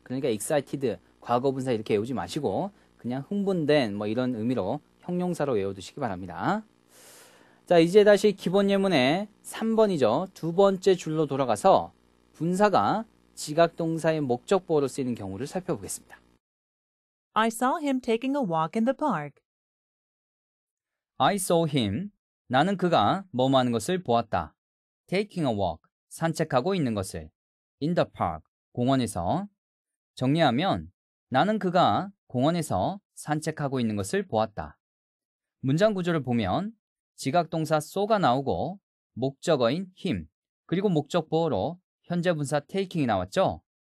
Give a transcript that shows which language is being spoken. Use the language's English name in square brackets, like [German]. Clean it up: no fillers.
[Korean] 그러니까 excited, 과거분사 이렇게 외우지 마시고 그냥 흥분된 뭐 이런 의미로 형용사로 외워두시기 바랍니다. 자, 이제 다시 기본 예문의 3번이죠. 두 번째 줄로 돌아가서 분사가 지각동사의 목적보호로 쓰이는 경우를 살펴보겠습니다. [English] I saw him taking a walk in the park. I saw him. [Korean] 나는 그가 뭐뭐하는 것을 보았다. [English] Taking a walk. [Korean] 산책하고 있는 것을. [English] In the park. [Korean] 공원에서. 정리하면 나는 그가 공원에서 산책하고 있는 것을 보았다. 문장 구조를 보면 지각동사 saw가 나오고 목적어인 him 그리고 목적보호로 현재분사 taking이 나왔죠.